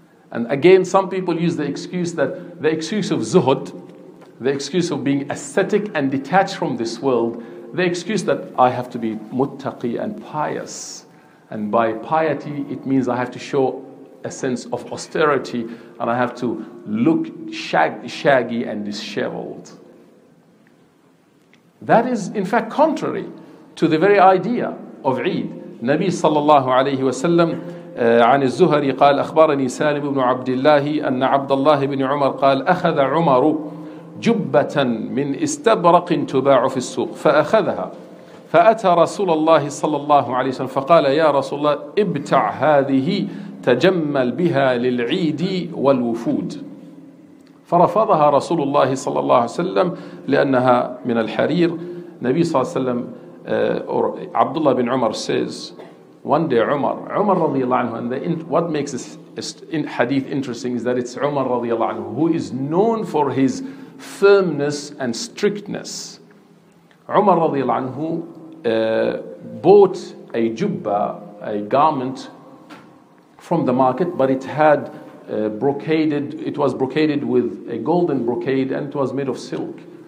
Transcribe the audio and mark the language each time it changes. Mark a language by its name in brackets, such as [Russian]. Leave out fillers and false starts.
[English] And again, some people use the excuse of zuhud, the excuse of being ascetic and detached from this world, the excuse that I have to be muttaqi and pious. And by piety, it means I have to show a sense of austerity and I have to look shaggy and disheveled. That is, in fact, contrary to the very idea of Eid. Nabi sallallahu alayhi wa sallam, [Arabic] عن الزهري قال أخبرني سالم بن عبد الله أن عبد الله بن عمر قال أخذ عمر جبة من استبرق تباع في السوق فأخذها فأتى رسول الله صلى الله عليه وسلم فقال يا رسول الله ابتع هذه تجمل بها للعيد والوفود فرفضها رسول الله صلى الله عليه وسلم لأنها من الحرير. [English] نبي صلى الله عليه وسلم or عبد الله بن عمر says one day عمر رضي الله عنه, and what makes this hadith interesting is that it's عمر رضي الله عنه who is known for his firmness and strictness. Umar radiallahu anhu bought a jubba, a garment from the market, but it had brocaded with a golden brocade and it was made of silk.